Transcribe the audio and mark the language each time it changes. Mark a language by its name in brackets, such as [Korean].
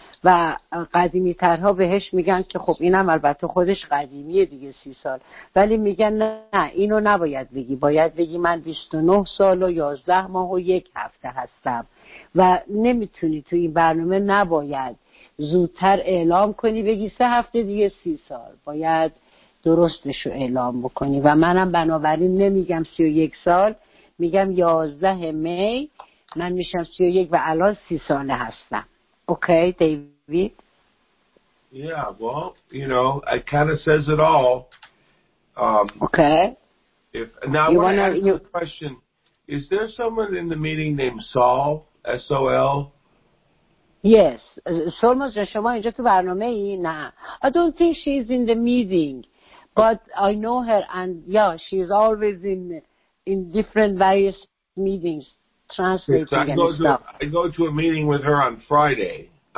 [Persian] و قدیمی ترها بهش میگن که خب اینم البته خودش قدیمیه دیگه 30 سال، ولی میگن نه اینو نباید بگی، باید بگی من 29 سال و 11 ماه و 1 هفته هستم و نمیتونی تو این برنامه نباید زودتر اعلام کنی بگی 3 هفته دیگه 30 سال، باید درستش رو اعلام بکنی. و منم بنابراین نمیگم 31 سال، میگم 11 می من میشم 31 و الان 30 ساله هستم. اوکی دیوید؟ [English] Yeah, well, you know, it kind of says it all. Okay. If, now you I want to ask you a question. Is there someone in the meeting named Saul? S-O-L? Yes. [Persian] Solmaz, شما اینجا تو برنامه ای؟ نه. [English] I don't think she is in the meeting. But I know her and yeah, she is always in different various meetings, translating and stuff. I go to a meeting with her on Friday.